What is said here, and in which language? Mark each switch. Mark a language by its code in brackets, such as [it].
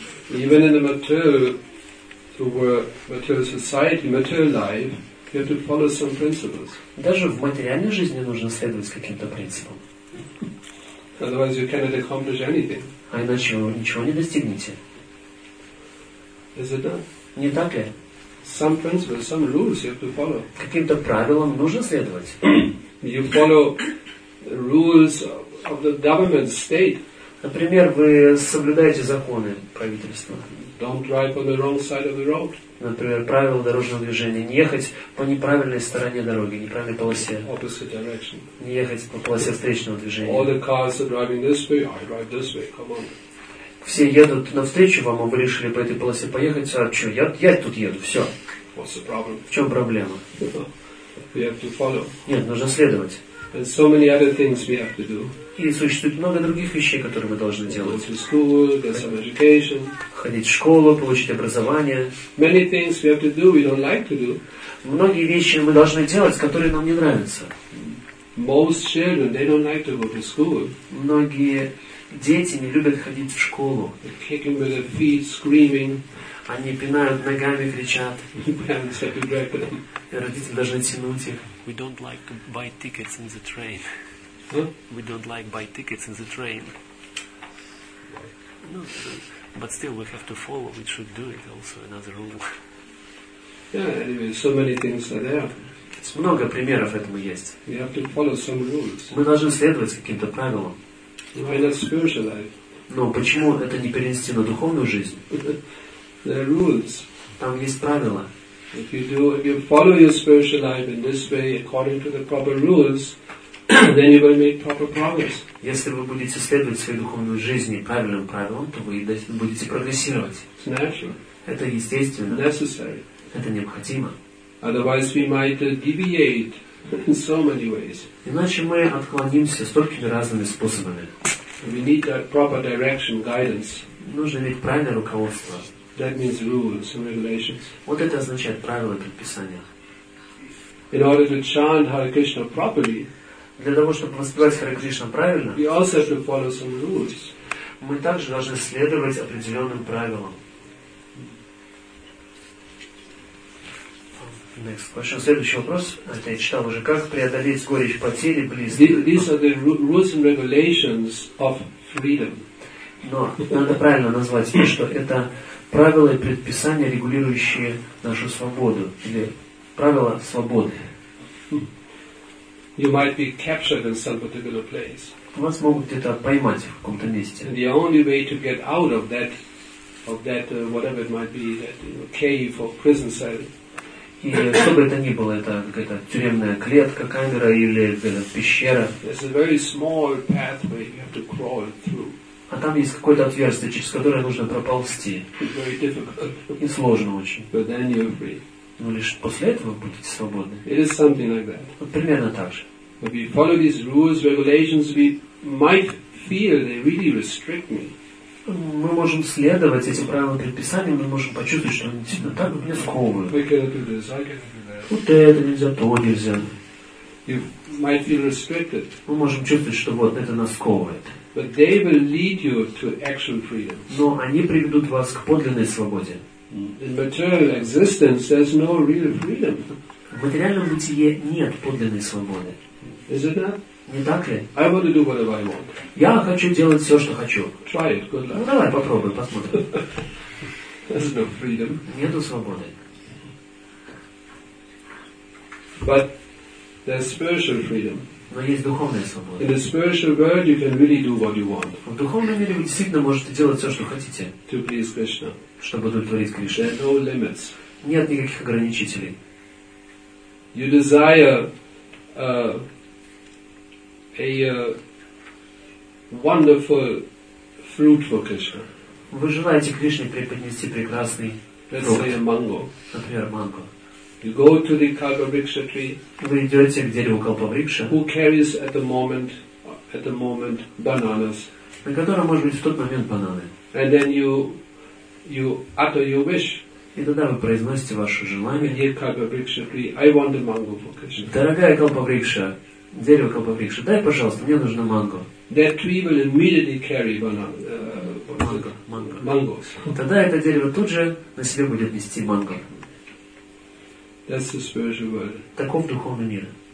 [en] Even in the material society, material life, you have to follow some principles. [ru] Даже в материальной жизни нужно следовать каким-то принципам. [en] Otherwise, you cannot accomplish anything. [ru] А иначе вы ничего не достигнете. [en] Is it not? [ru] Не так ли? [en] Some principles, some rules you have to follow. [ru] Каким-то правилам нужно следовать. [en] You follow rules of the government, state. [ru] Например, вы соблюдаете законы правительства. [en] Don't drive on the wrong side of the road. [ru] Например, правила дорожного движения. Не ехать по неправильной стороне дороги, неправильной полосе. [en] Opposite direction. [ru] Не ехать по полосе встречного движения. [en] All the cars are driving this way, I drive this way, come on. [ru] Все едут навстречу вам, а вы решили по этой полосе поехать, а что, я тут еду, все. [en] What's the problem? [ru] В чем проблема? [en] We have to follow. [ru] Нет, нужно следовать. [en] And so many other things we have to do. [ru] И существует много других вещей, которые мы должны делать. [en] Go to school, get some education. [ru] Ходить в школу, получить образование. [en] Many things we have to do, we don't like to do. [ru] Многие вещи мы должны делать, которые нам не нравятся. [en] Most children, they don't like to go to school. [ru] Многие дети не любят ходить в школу. [en] They're kicking with their feet, screaming. [ru] Они пинают ногами, кричат. [en] Parents have to drag them. [ru] И родители должны тянуть их. [en] We don't like to buy tickets in the train. We don't like buy tickets in the train. No, but still we have to follow. We should do it also, another rule. Yeah, anyway, so many things are there. [ru] Много примеров этому есть. [en] We have to follow some rules. [ru] Мы должны следовать каким-то правилам. [en] Why not spiritual life? [ru] Но почему это не перенести на духовную жизнь? [en] There are rules. [ru] Там есть правила. [en] If you do, if you follow your spiritual life in this way, according to the proper rules, then you will make proper progress. [ru] Если вы будете следовать своей духовной жизни правильным правилам, то вы будете прогрессировать. [en] It's natural. [ru] Это естественно. [en] Necessary. [ru] Это необходимо. [en] Otherwise, we might deviate in so many ways. [ru] Иначе мы отклонимся столькими разными способами. [en] We need that proper direction, guidance. [ru] Нужно иметь правильное руководство. [en] That means rules and regulations. [ru] Вот это означает правила и предписания. [en] In order to chant Hare Krishna properly, [ru] для того чтобы воспевать Харе Кришна правильно, [en] we also have to follow some rules. [ru] Мы также должны следовать определенным правилам. [en] Next question. [ru] Следующий вопрос. Это я читал уже. Как преодолеть горечь потери близких? [en] These are the rules and regulations of freedom. [ru] Но надо правильно назвать то, что это правила и предписания, регулирующие нашу свободу. Или правила свободы. [en] You might be captured in some particular place. [ru] Вас могут где-то поймать в каком-то месте. [en] The only way to get out of that, whatever it might be, that cave or prison cell. [ru] И что бы это ни было, это какая-то тюремная клетка, камера или пещера. [en] There's a very small pathway you have to crawl through. [ru] А там есть какое-то отверстие, через которое нужно проползти. [en] It's very difficult. [ru] И сложно очень. [en] But then you're free. [ru] Но лишь после этого будете свободны. [en] It is something like that. [ru] Вот примерно так же. [en] If we follow these rules, regulations, we might feel they really restrict me. [ru] Мы можем следовать этим правилам и предписаниям, мы можем почувствовать, что они действительно так вот меня сковывают. [en] We cannot do this, I cannot do that. [ru] Вот это нельзя, то нельзя. [en] You might feel restricted. [ru] Мы можем чувствовать, что вот это нас сковывает. [en] But they will lead you to actual freedom. [ru] Но они приведут вас к подлинной свободе. [en] In material existence, there's no real freedom. [ru] В материальном бытии нет подлинной свободы. [en] Is it not? [ru] Не так ли? [en] I want to do whatever I want. [ru] Я хочу делать все, что хочу. [en] Try it. Good luck. [ru] Ну давай попробуем, посмотрим. [en] There's no freedom. [ru] Нету свободы. [en] But there's spiritual freedom. [ru] Но есть духовная свобода. [en] In the spiritual world, you can really do what you want. [ru] В духовном мире вы действительно можете делать все, что хотите. [en] To please Krishna. [ru] Чтобы удовлетворить Кришну. [en] There are no limits. [ru] Нет никаких ограничителей. [en] You desire wonderful fruit for Krishna. [ru] Вы желаете Кришне преподнести прекрасный фрукт. [en] Let's say a mango. [ru] Например, манго. [en] You go to the Kalpavriksha tree. [ru] Вы идете к дереву Калпаврикша. [en] Who carries at the moment bananas? [ru] На котором, может быть, в тот момент бананы. [en] And then you utter your wish. [ru] И тогда вы произносите ваше желание. [en] Dear Kalpavriksha tree, I want the mango for Krishna. [ru] Дорогая Калпаврикша, дерево Калпаврикша, дай, пожалуйста, мне нужно манго. [en] That tree will immediately carry Mango. [ru] Тогда это дерево тут же на себе будет нести манго. [en] That's the spiritual world. [ru] Таков духовный мир.